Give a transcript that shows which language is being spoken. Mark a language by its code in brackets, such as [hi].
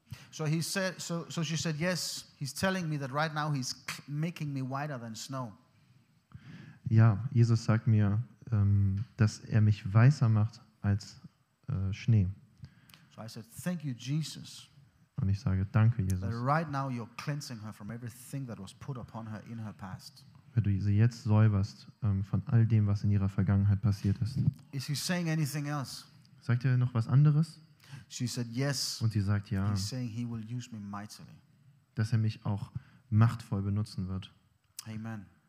[en] So he said. So she said, yes. He's telling me that right now he's making me whiter than snow. [de] Ja, Jesus sagt mir, dass er mich weißer macht als Schnee. [en] So I said, thank you, Jesus. [de] Und ich sage, danke, Jesus. [en] That right now you're cleansing her from everything that was put upon her in her past. [de] Weil du sie jetzt säuberst von all dem, was in ihrer Vergangenheit passiert ist. [en] Is he saying anything else? [de] Sagt er noch was anderes? [en] She said yes. [de] Und sie sagt ja. [en] He's saying he will use me mightily. [de] Dass er mich auch machtvoll benutzen wird. [en] Amen.